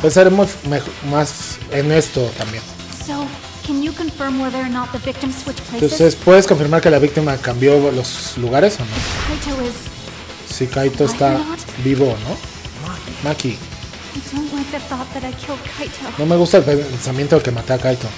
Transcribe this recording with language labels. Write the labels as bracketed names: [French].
[Spanish] Pensaremos más en esto también. [English] So, can you confirm whether or not the victim switched places? [Spanish] Entonces, ¿puedes confirmar que la víctima cambió los lugares o no? [English] Kaito is... [Spanish] Si Kaito está vivo, ¿no? Maki. [English] I don't like the thought that I killed Kaito. [Spanish] No me gusta el pensamiento de que maté a Kaito.